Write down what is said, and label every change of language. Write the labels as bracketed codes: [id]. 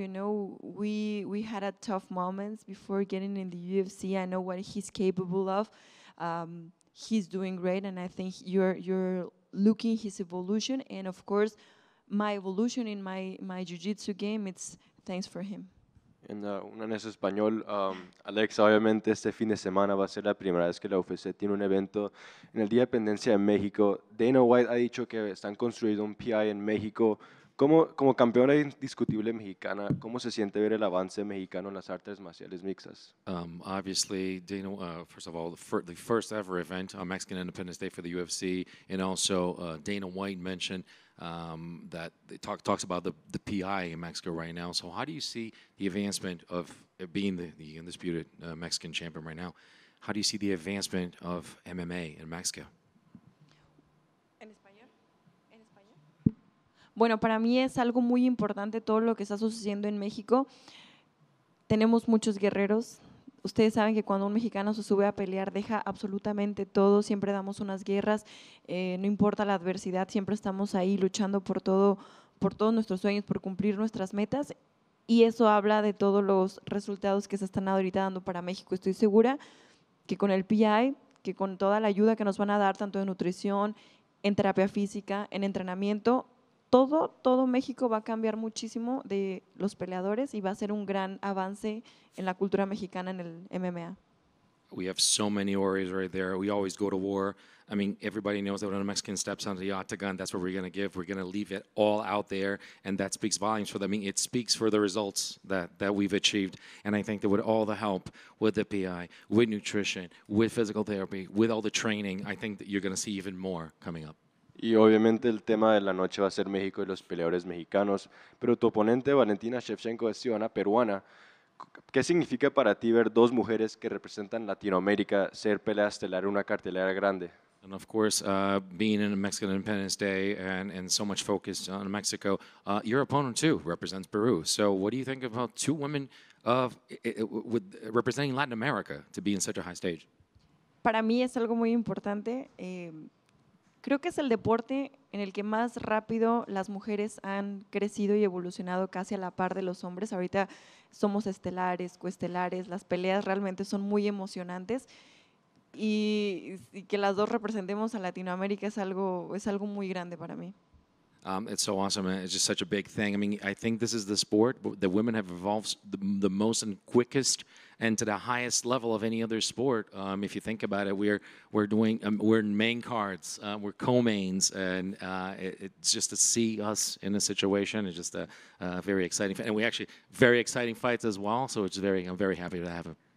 [en] You know, we had a tough moments before getting in the UFC. I know what he's capable of. He's doing great, and I think you're looking his evolution. And, of course, my evolution in my jiu-jitsu game, it's thanks for him. [es] En español, Alexa, obviamente este fin de semana va a ser la primera vez que la UFC tiene un evento en el Día de Independencia en México. Dana White ha dicho que están construyendo un PI en México. Como campeona indiscutible mexicana, ¿cómo se siente ver el avance mexicano en las artes marciales mixtas? [en] Obviously, Dana, first of all, the first ever event on Mexican Independence Day for the UFC, and also Dana White mentioned that they talks about the PI in Mexico right now. So how do you see the advancement of being the undisputed Mexican champion right now? How do you see the advancement of MMA in Mexico? [es] Bueno, para mí es algo muy importante todo lo que está sucediendo en México. Tenemos muchos guerreros. Ustedes saben que cuando un mexicano se sube a pelear, deja absolutamente todo, siempre damos unas guerras, no importa la adversidad, siempre estamos ahí luchando por todo, por todos nuestros sueños, por cumplir nuestras metas. Y eso habla de todos los resultados que se están ahorita dando para México. Estoy segura que con el PI, que con toda la ayuda que nos van a dar, tanto en nutrición, en terapia física, en entrenamiento, Todo México va a cambiar muchísimo de los peleadores y va a ser un gran avance en la cultura mexicana en el MMA. [en] We have so many warriors right there. We always go to war. I mean, everybody knows that when a Mexican steps onto the octagon, that's what we're going to give. We're going to leave it all out there, and that speaks volumes for them. I mean, it speaks for the results that we've achieved, and I think that with all the help with the PI, with nutrition, with physical therapy, with all the training, I think that you're going to see even more coming up. [es] Y obviamente el tema de la noche va a ser México y los peleadores mexicanos, pero tu oponente Valentina Shevchenko es ciudadana peruana. ¿Qué significa para ti ver dos mujeres que representan Latinoamérica ser pelea estelar en una cartelera grande? [en] And of course, being in Mexican Independence Day and so much focus on Mexico, your opponent too represents Peru. So what do you think about two women with representing Latin America to be in such a high stage? [es] Para mí es algo muy importante. Creo que es el deporte en el que más rápido las mujeres han crecido y evolucionado casi a la par de los hombres. Ahorita somos estelares, coestelares, las peleas realmente son muy emocionantes y que las dos representemos a Latinoamérica es algo muy grande para mí. [en] It's so awesome. It's just such a big thing. I mean, I think this is the sport that women have evolved the most and quickest and to the highest level of any other sport. If you think about it, we're in main cards, we're co-mains, and it's just to see us in a situation is just a very exciting fight. And we actually very exciting fights as well, so it's very, I'm very happy to have it.